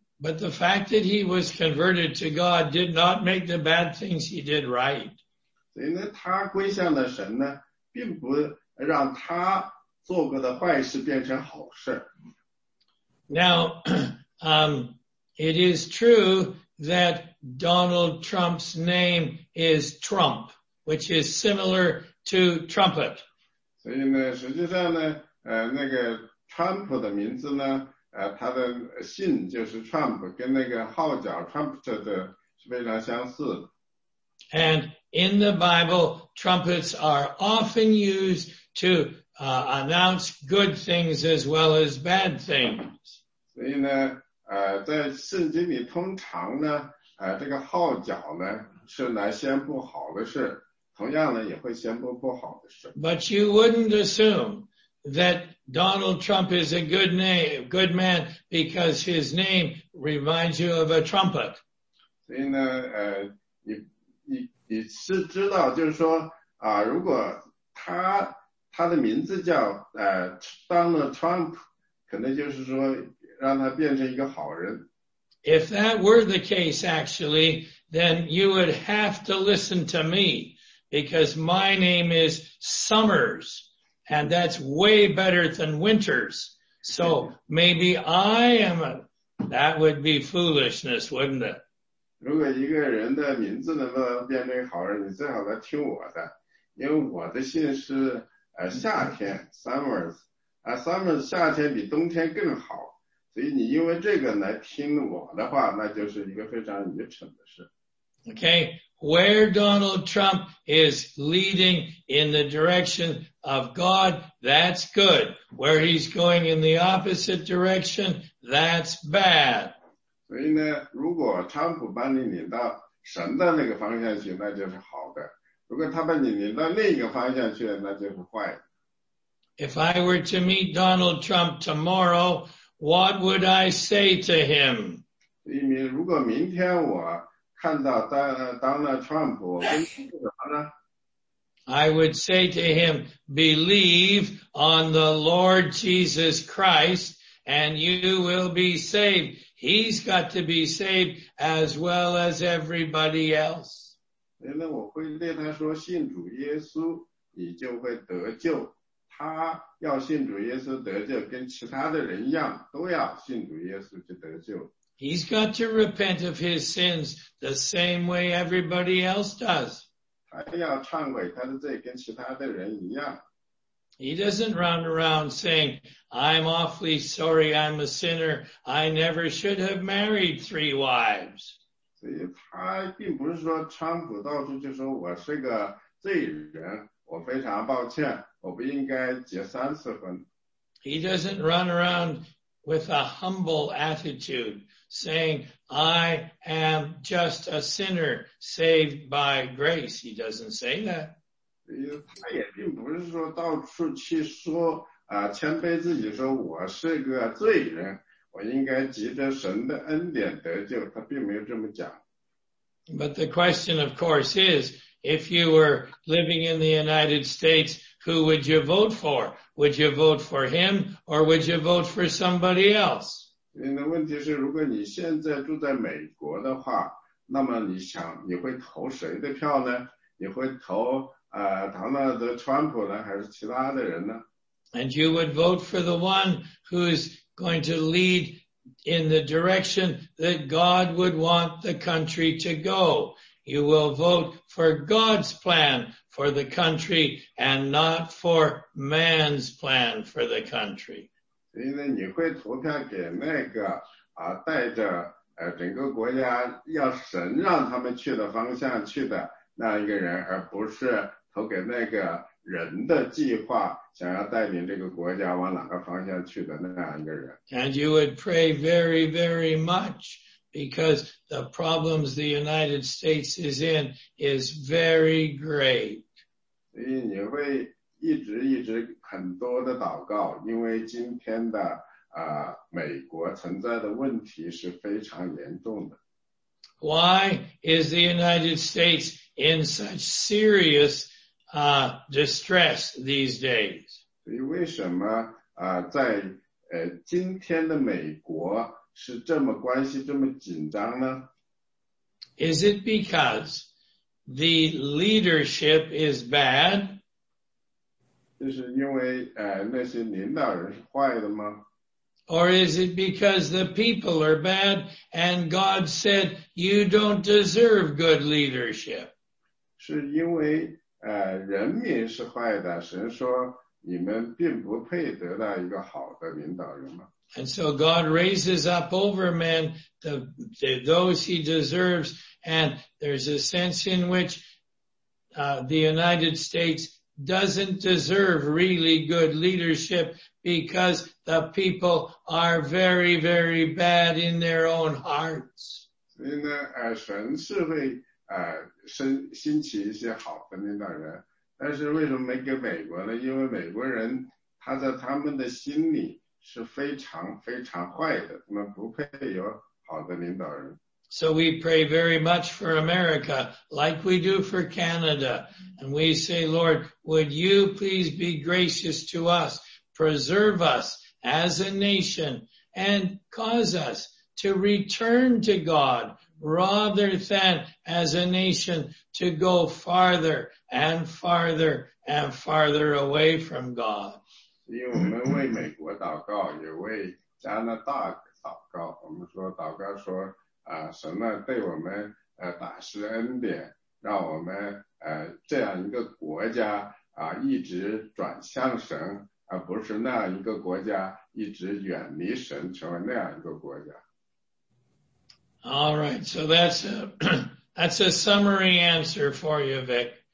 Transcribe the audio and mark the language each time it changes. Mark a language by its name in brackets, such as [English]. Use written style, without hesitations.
[English] But the fact that he was converted to God did not make the bad things he did right. [Chinese] 所以呢，他归向了神呢，并不让他做过的坏事变成好事。 [English] Now, it is true that Donald Trump's name is Trump, which is similar to trumpet. [Chinese] 所以呢，实际上呢，那个 trump 的名字呢，它的姓就是 trump， 跟那个号角 trumpet 的是非常相似。 [English] And in the Bible, trumpets are often used to announce good things as well as bad things. [Chinese] 所以呢，在圣经里通常呢，这个号角呢是来宣布好的事。同样呢，也会宣布不好的事。 [English] But you wouldn't assume that Donald Trump is a good name, good man because his name reminds you of a trumpet. [Chinese] 所以呢，你是知道，就是说啊，如果他的名字叫Donald Trump， 可能就是说让他变成一个好人。 [English] If that were the case, actually, then you would have to listen to me. Because my name is Summers, and that's way better than Winters. So maybe I am a, that would be foolishness, wouldn't it? [Chinese] 如果一个人的名字能够变成好人，你最好来听我的，因为我的姓是夏天 ,Summers, Summers 夏天比冬天更好，所以你因为这个来听我的话，那就是一个非常愚蠢的事。 [English] Okay. Where Donald Trump is leading in the direction of God, that's good. Where he's going in the opposite direction, that's bad. [Chinese] 所以呢，如果川普把你领到神的那个方向去，那就是好的。如果他把你领到另一个方向去，那就是坏的。 [English] If I were to meet Donald Trump tomorrow, what would I say to him? [Chinese] 所以如果明天我看到Donald Trump, 我跟他说什么呢? [English] I would say to him, believe on the Lord Jesus Christ, and you will be saved. He's got to be saved as well as everybody else. [Chinese] 那我会对他说信主耶稣你就会得救。他要信主耶稣得救跟其他的人一样都要信主耶稣去得救。 [English] He's got to repent of his sins the same way everybody else does. [Chinese] 他要忏悔他的罪跟其他的人一样。 [English] He doesn't run around saying, I'm awfully sorry, I'm a sinner, I never should have married three wives. [Chinese] 所以他并不是说川普到处就说我是个罪人，我非常抱歉，我不应该结三次婚。 [English] He doesn't run around with a humble attitude. Saying, I am just a sinner saved by grace. He doesn't say that. [Chinese] 他也并不是说到处去说谦卑自己说我是个罪人，我应该藉着神的恩典得救。他并没有这么讲。 [English] But the question, of course, is, if you were living in the United States, who would you vote for? Would you vote for him or would you vote for somebody else? [Chinese] 所以呢，问题是，如果你现在住在美国的话，那么你想你会投谁的票呢？你会投Donald Trump 呢，还是其他的人呢 [English] ？And you would vote for the one who's going to lead in the direction that God would want the country to go. You will vote for God's plan for the country and not for man's plan for the country. [Chinese] 所以呢，你会投票给那个带着整个国家要神让他们去的方向去的那一个人，而不是投给那个人的计划想要带领这个国家往哪个方向去的那样一个人。 [English] And you would pray very, very much because the problems the United States is in is very great. [Chinese] 所以你会一直一直很多的祷告，因为今天的美国存在的问题是非常严重的。 [English] Why is the United States in such serious distress these days? [Chinese] 所以为什么在今天的美国是这么关系这么紧张呢 [English] ？Is it because the leadership is bad? [Chinese] 就是因为那些领导人是坏的吗 [English] ？Or is it because the people are bad and God said you don't deserve good leadership？ [Chinese] 是因为人民是坏的，神说你们并不配得到一个好的领导人吗？ [English] And so God raises up over men those he deserves, and there's a sense in which the United States doesn't deserve really good leadership because the people are very, very bad in their own hearts. [Chinese] 所以呢，神是会兴起一些好的领导人，但是为什么没给美国呢？因为美国人他在他们的心里是非常非常坏的，他们不配有好的领导人。 [English] So we pray very much for America, like we do for Canada. And we say, Lord, would you please be gracious to us, preserve us as a nation, and cause us to return to God, rather than as a nation to go farther and farther and farther away from God. [Chinese] 因为我们为美国祷告，也为加拿大祷告，我们说祷告说神呢对我们大施恩典，让我们这样一个国家一直转向神，而不是那样一个国家一直远离神，成为那样一个国家。 [English] All right, so that's a summary answer for you, Vic.